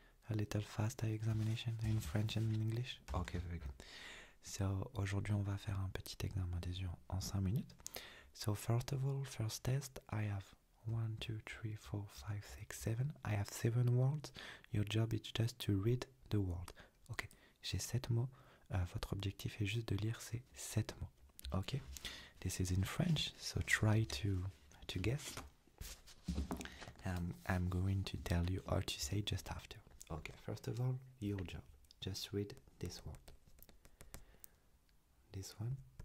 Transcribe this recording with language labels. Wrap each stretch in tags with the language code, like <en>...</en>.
<en>A little fast eye examination in French and in English. Okay, very good.</en> <fr>So, aujourd'hui, on va faire un petit examen des yeux en 5 minutes.</fr> <en>So, first of all, first test, I have 1, 2, 3, 4, 5, 6, 7. I have 7 words. Your job is just to read the word.</en> <fr>Okay, j'ai 7 mots. Votre objectif est juste de lire ces 7 mots.</fr> <en>Okay, this is in French, so try to guess. I'm going to tell you how to say just after. Okay, first of all, your job. Just read this word. This one.</en>